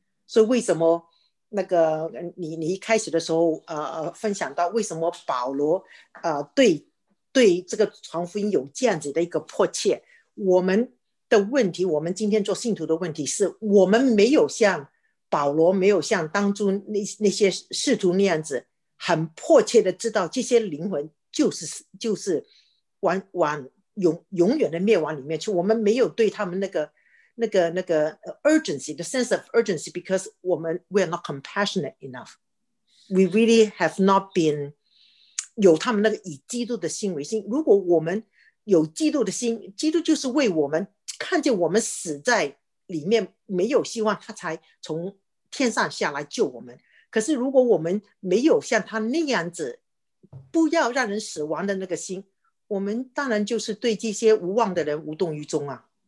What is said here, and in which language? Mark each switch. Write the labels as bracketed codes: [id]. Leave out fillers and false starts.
[zh] 所以为什么那个 你一开始的时候分享到为什么保罗对这个传福音有这样子的一个迫切，我们的问题，我们今天做信徒的问题是我们没有像保罗，没有像当初 那些士徒那样子很迫切的知道这些灵魂就是往 永远的灭亡里面去。我们没有对他们那个 [en] urgency, the sense of urgency, because we are not compassionate enough. We really have not been [zh] 有他们那个以基督的心为心。如果我们有基督的心，基督就是为我们看见我们死在里面没有希望，他才从天上下来救我们。可是如果我们没有像他那样子不要让人死亡的那个心，我们当然就是对这些无望的人无动于衷啊。